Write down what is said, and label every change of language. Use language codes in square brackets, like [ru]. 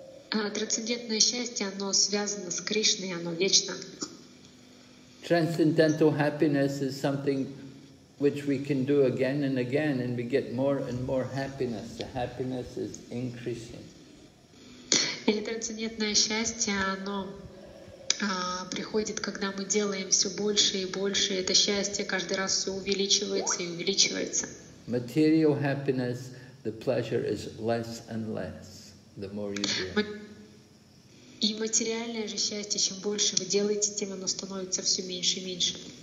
[ru] Трансцендентное счастье, оно связано с Кришной, оно вечно. [en] Transcendental happiness is something which we can do again and again, and we get more and more happiness. The happiness is increasing. [ru] И трансцендентное счастье, оно приходит, когда мы делаем все больше и больше. Это счастье каждый раз все увеличивается и увеличивается. [en] Material happiness, the pleasure is less and less, the more you do. [ru] И материальное же счастье, чем больше вы делаете, тем оно становится все меньше и меньше.